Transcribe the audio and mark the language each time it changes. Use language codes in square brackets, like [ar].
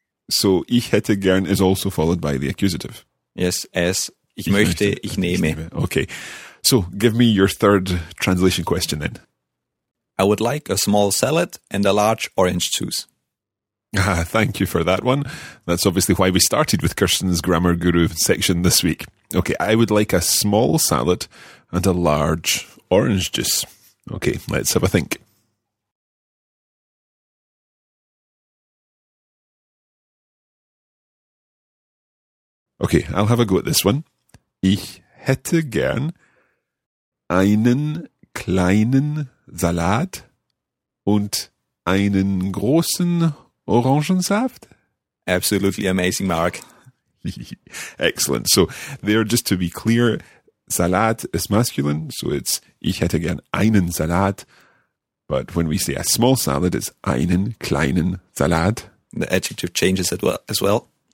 [en] So [de] ich hätte gern [en] is also followed by the accusative. Yes, as [de] ich möchte, ich nehme. [en] Okay, so give me your third translation question then. I would like a small salad and a large orange juice. Ah, thank you for that one. That's obviously why we started with Kirsten's Grammar Guru section this week. Okay, I would like a small salad and a large orange juice. Okay, let's have a think. Okay, I'll have a go at this one. [de] Ich hätte gern einen kleinen Salat und einen großen Orangensaft. [en] Absolutely amazing, Mark. Excellent. So there, just to be clear, Salat is masculine, so it's [de] ich hätte gern einen Salat. [en] But when we say a small salad, it's [de] einen kleinen Salat. [en] The adjective changes as well.